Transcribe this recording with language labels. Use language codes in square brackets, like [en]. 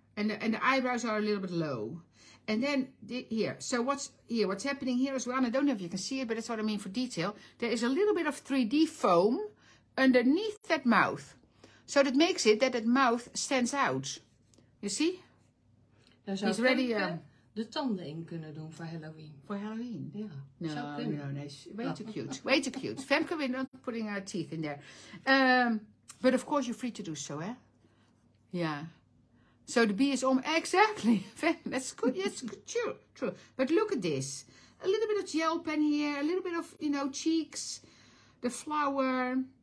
[en] And the eyebrows are a little bit low. And then what's happening here as well, and I don't know if you can see it, but that's what I mean for detail. There is a little bit of 3D foam underneath that mouth. So that makes it that mouth stands out. You see? [nl] Daar zou de tanden in kunnen doen voor Halloween. Voor Halloween? Ja. [en] No, no, no. Way too cute. Way too cute. Femke, we're not putting our teeth in there. But of course you're free to do so, hè? Eh? Yeah. So the bee is on. Exactly. That's good. Yes, good. True. But look at this. A little bit of gel pen here. A little bit of, you know, cheeks. The flower.